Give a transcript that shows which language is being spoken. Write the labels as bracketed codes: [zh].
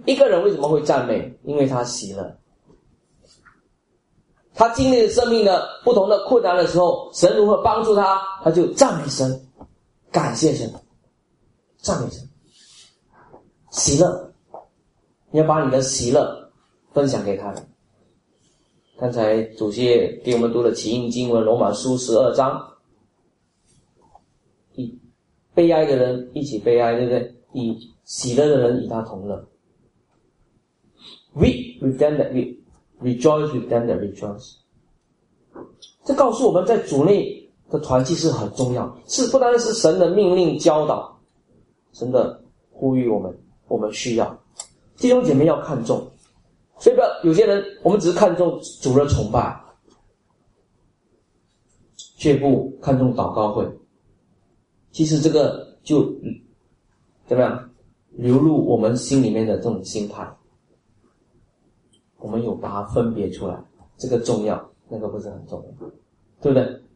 [zh] 一个人为什么会赞美？因为他喜乐，他经历了生命的不同的困难的时候，神如何帮助他，他就赞美神，感谢神，赞美神，喜乐。你要把你的喜乐分享给他人。刚才主席给我们读了起因经文，罗马书12章，以悲哀的人一起悲哀，对不对？以喜乐的人与他同乐。 [en] Weep with them that weep, rejoice with them that rejoice。 [zh] 这告诉我们在主内的团契是很重要，是不单是神的命令教导，神的呼吁我们，我们需要弟兄姐妹要看重。所以不要有些人我们只是看重主的崇拜，却不看重祷告会，其实这个就怎么样流入我们心里面的这种心态，我们有把它分别出来，这个重要，那个不是很重要，对不对？